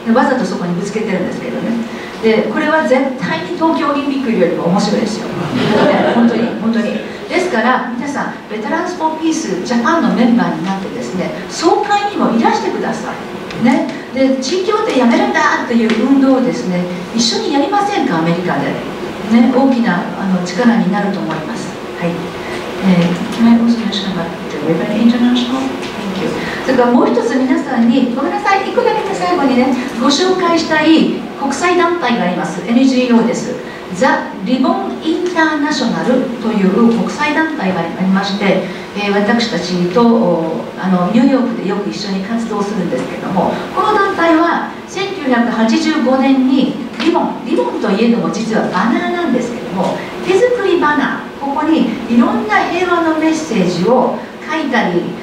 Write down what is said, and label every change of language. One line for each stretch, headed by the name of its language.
Japanese: でわざとそこにぶつけてるんですけどね。でこれは絶対に東京オリンピックよりも面白いですよ。本当に本当に。ですから皆さん、ベテランズフォーピースジャパンのメンバーになってですね、総会にもいらしてください、ね、で地域でやめるんだという運動をですね、一緒にやりませんか、アメリカで、ね、大きなあの力になると思います。
English: はい、Can I also mention about the Women International? Thank you.
Japanese: それからもう一つ皆さんに、ごめんなさい、一個だけで最後にね、ご紹介したい国際団体があります。 NGO です。ザ・リボン・インターナショナルという国際団体がありまして、私たちとあのニューヨークでよく一緒に活動するんですけども、この団体は1985年にリボン、リボンといえども実はバナーなんですけども、手作りバナー、ここにいろんな平和のメッセージを書いたり